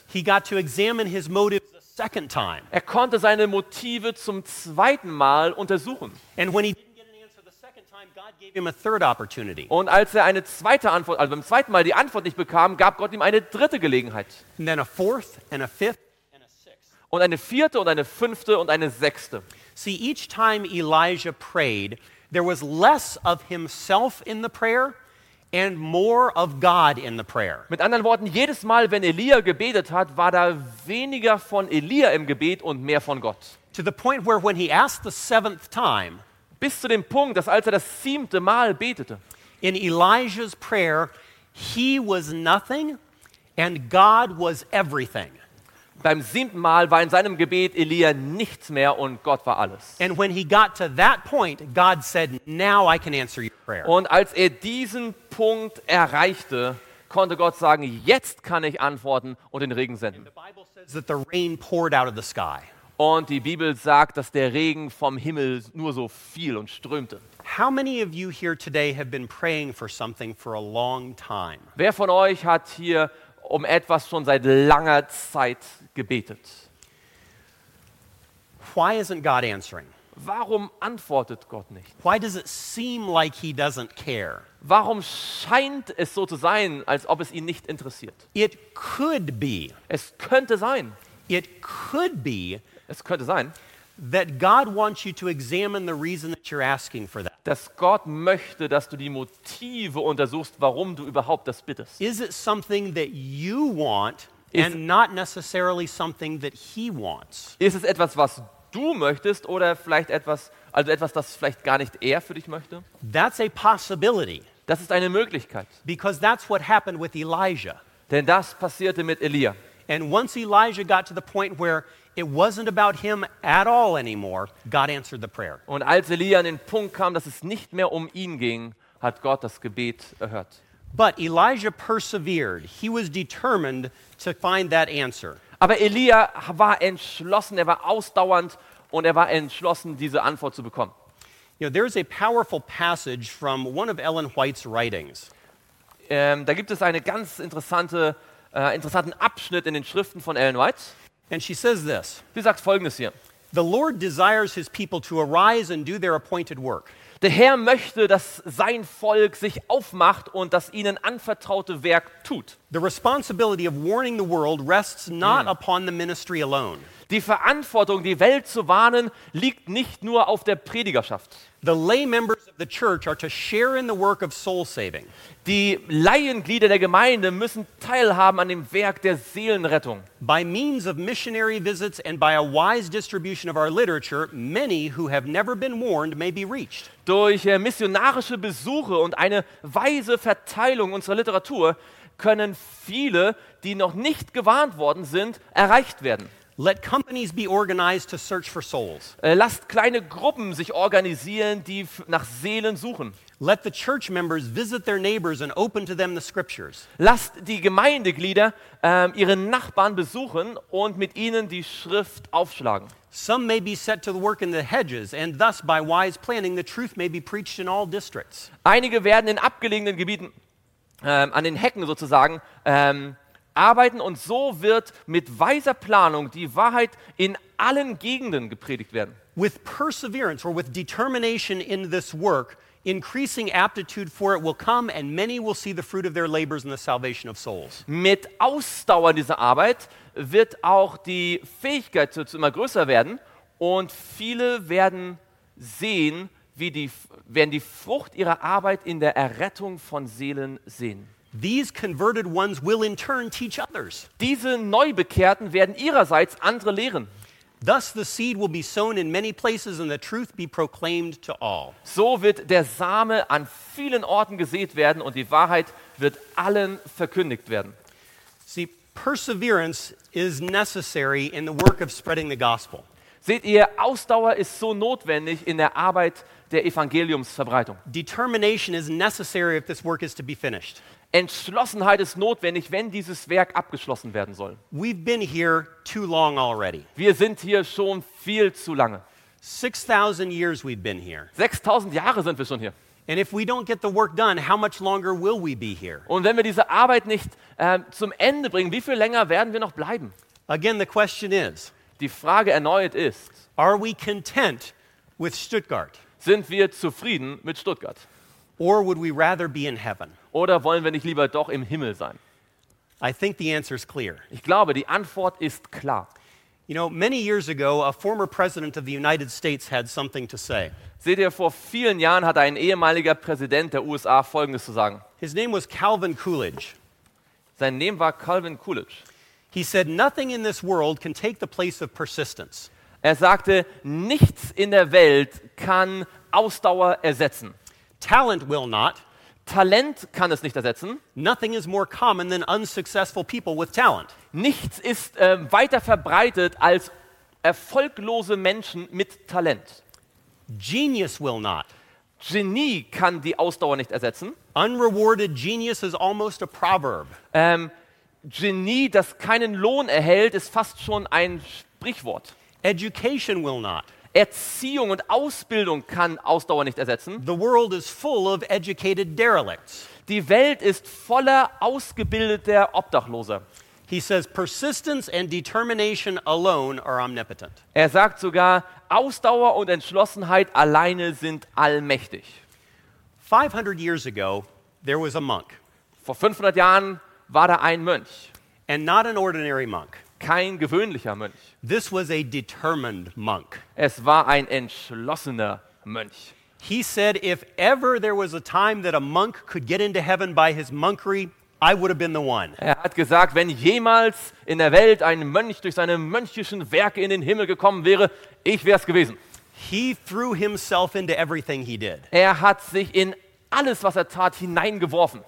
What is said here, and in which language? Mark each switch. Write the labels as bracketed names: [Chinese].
[English] He got to examine his motives a second time. [German] Er konnte seine Motive zum zweiten Mal untersuchen. [English] And when he didn't get an answer the second time, God gave him a third opportunity. [German] Und als er beim zweiten Mal die Antwort nicht bekam, gab Gott ihm eine dritte Gelegenheit. [English] And then a fourth and a fifth and a sixth. [German] Und eine vierte und eine fünfte und eine sechste. [English] See, each time Elijah prayed, there was less of himself in the prayer and more of God in the prayer. [German] Mit anderen Worten, jedes Mal, wenn Elia gebetet hat, war da weniger von Elia im Gebet und mehr von Gott. [English] To the point where when he asked the seventh time, [German] bis zu dem Punkt, dass als er das siebte Mal betete, [English] in Elijah's prayer, he was nothing and God was everything. [German] Beim siebten Mal war in seinem Gebet Elia nichts mehr und Gott war alles. [English] And when he got to that point, God said, "Now I can answer your prayer." [German] Und als diesen Punkt erreichte, konnte Gott sagen, jetzt kann ich antworten und den Regen senden. [English] And the Bible says that the rain poured out of the sky. [German] Und die Bibel sagt, dass der Regen vom Himmel nur so fiel und strömte. [English] How many of you here today have been praying for something for a long time? [German] Wer von euch hat hier um etwas schon seit langer Zeit gebetet? [English] Why isn't God answering? [German] Warum antwortet Gott nicht? [English] Why does it seem like he doesn't care? [German] Warum scheint es so zu sein, als ob es ihn nicht interessiert? [English] It could be. [German] Es könnte sein. [English] It could be. [German] Es könnte sein. [English] That God wants you to examine the reason that you're asking for that. [German] Dass Gott möchte, dass du die Motive untersuchst, warum du überhaupt das bittest. [English] Is it something that you want and not necessarily something that he wants? [German] Ist es etwas, was du möchtest oder vielleicht etwas, also etwas, das vielleicht gar nicht er für dich möchte? [English] That's a possibility. [German] Das ist eine Möglichkeit. [English] Because that's what happened with Elijah. [German] Denn das passierte mit Elia. [English] And once Elijah got to the point where it wasn't about him at all anymore, God answered the prayer. [German] Und als Elia an den Punkt kam, dass es nicht mehr um ihn ging, hat Gott das Gebet erhört. [English] But Elijah persevered. He was determined to find that answer. [German] Aber Elia war entschlossen, er war ausdauernd und er war entschlossen, diese Antwort zu bekommen. [English] You know, there is a powerful passage from one of Ellen White's writings. [German] Da gibt es eine ganz interessanten Abschnitt in den Schriften von Ellen White. [English] And she says this. [German] Sie sagt Folgendes hier. [English] The Lord desires his people to arise and do their appointed work. [German] Der Herr möchte, dass sein Volk sich aufmacht und das ihnen anvertraute Werk tut. [English] The responsibility of warning the world rests not upon the ministry alone. [German] Die Verantwortung, die Welt zu warnen, liegt nicht nur auf der Predigerschaft. [English] The lay members of the church are to share in the work of soul saving. [German] Die Laienglieder der Gemeinde müssen teilhaben an dem Werk der Seelenrettung. [English] By means of missionary visits and by a wise distribution of our literature, many who have never been warned may be reached. [German] Durch missionarische Besuche und eine weise Verteilung unserer Literatur können viele, die noch nicht gewarnt worden sind, erreicht werden. [English] Let companies be organized to search for souls. [German] Lasst kleine Gruppen sich organisieren, die nach Seelen suchen. [English] Let the church members visit their neighbors and open to them the scriptures. [German] Lasst die Gemeindeglieder ihre Nachbarn besuchen und mit ihnen die Schrift aufschlagen. [English] Some may be set to work in the hedges, and thus by wise planning the truth may be preached in all districts. [German] Einige werden in abgelegenen Gebieten an den Hecken sozusagen arbeiten und so wird mit weiser Planung die Wahrheit in allen Gegenden gepredigt werden. [English] With perseverance or with determination in this work, increasing aptitude for it will come and many will see the fruit of their labors in the salvation of souls. [German] Mit Ausdauer in dieser Arbeit wird auch die Fähigkeit dazu immer größer werden und viele werden sehen, werden die Frucht ihrer Arbeit in der Errettung von Seelen sehen. [English] These converted ones will in turn teach others. [German] Diese Neubekehrten werden ihrerseits andere lehren. [English] Thus the seed will be sown in many places and the truth be proclaimed to all. [German] So wird der Same an vielen Orten gesät werden und die Wahrheit wird allen verkündigt werden. [English] See, perseverance is necessary in the work of spreading the gospel. [German] Seht ihr, Ausdauer ist so notwendig in der Arbeit der Evangeliumsverbreitung. [English] Determination is necessary if this work is to be finished. [German] Entschlossenheit ist notwendig, wenn dieses Werk abgeschlossen werden soll. [English] We've been here too long already. [German] Wir sind hier schon viel zu lange. [English] 6000 years we've been here. [German] 6000 Jahre sind wir schon hier. [English] And if we don't get the work done, how much longer will we be here? [German] Und wenn wir diese Arbeit nicht zum Ende bringen, wie viel länger werden wir noch bleiben? [English] Again the question is. [German] Die Frage erneut ist. [English] Are we content with Stuttgart? [German] Sind wir zufrieden mit Stuttgart? [English] Or would we rather be in heaven? [German] Oder wollen wir nicht lieber doch im Himmel sein? [English] I think the answer is clear. [German] Ich glaube, die Antwort ist klar. [English] You know, many years ago, a former president of the United States had something to say. [German] Seht ihr, vor vielen Jahren hatte ein ehemaliger Präsident der USA Folgendes zu sagen. [English] His name was Calvin Coolidge. [German] Sein Name war Calvin Coolidge. [English] He said, "Nothing in this world can take the place of persistence." [German] Er sagte, nichts in der Welt kann Ausdauer ersetzen. [English] Talent will not. [German] Talent kann es nicht ersetzen. [English] Nothing is more common than unsuccessful people with talent. [German] Nichts ist weiter verbreitet als erfolglose Menschen mit Talent. [English] Genius will not. [German] Genie kann die Ausdauer nicht ersetzen. [English] Unrewarded genius is almost a proverb. [German] Genie, das keinen Lohn erhält, ist fast schon ein Sprichwort. [English] Education will not. [German] Erziehung und Ausbildung kann Ausdauer nicht ersetzen. [English] The world is full of educated derelicts. [German] Die Welt ist voller ausgebildeter Obdachloser. [English] He says persistence and determination alone are omnipotent. [German] Er sagt sogar, Ausdauer und Entschlossenheit alleine sind allmächtig. [English] 500 years ago there was a monk. [German] Vor 500 Jahren war da ein Mönch. [English] And not an ordinary monk. [German] Kein gewöhnlicher Mönch. [English] This was a determined monk. [German] Es war ein entschlossener Mönch. [English] He said if ever there was a time that a monk could get into heaven by his monkery, I would have been the one. [German] Er hat gesagt, wenn jemals in der Welt ein Mönch durch seine mönchischen Werke in den Himmel gekommen wäre, ich wär's gewesen. [English] He threw himself into everything he did. [German] Er hat sich in alles, was er tat, hineingeworfen.